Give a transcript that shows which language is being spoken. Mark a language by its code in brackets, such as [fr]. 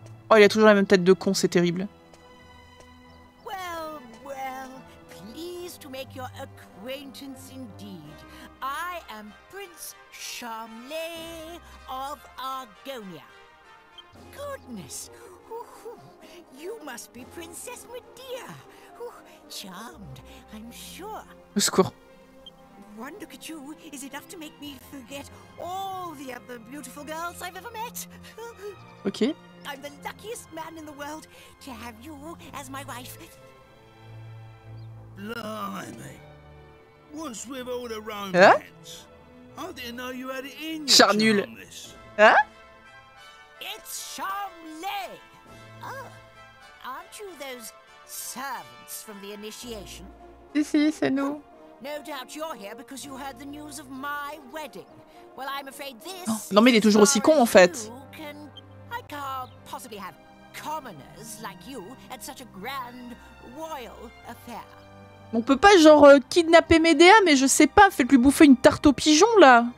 [fr] Oh, il a toujours la même tête de con, c'est terrible. [en] Well, well, pleased to make your acquaintance indeed. I am Prince Charmley of Argonia. Goodness, you must be Princess Medea. Charmed, I'm sure. [fr] Au secours. [en] One look at you is enough to make me forget all the other beautiful girls I've ever met. Ok. I'm the luckiest man in the world to have you as my wife. Blimey. What's with all the romance? I didn't know you had it in you, Charnul. Charmless. [fr] Hein? [en] It's Charmley. Oh, aren't you those servants from the initiation? [fr] Si, si, c'est nous. Oh, [en] no doubt you're here because you heard the news of my wedding. Well, I'm afraid this... [fr] Oh, non mais il est toujours aussi con en fait. [en] I can't possibly have commoners like you at such a grand royal affair. [fr] On peut pas genre kidnapper Médéa, mais je sais pas, fais-lui bouffer une tarte aux pigeons là.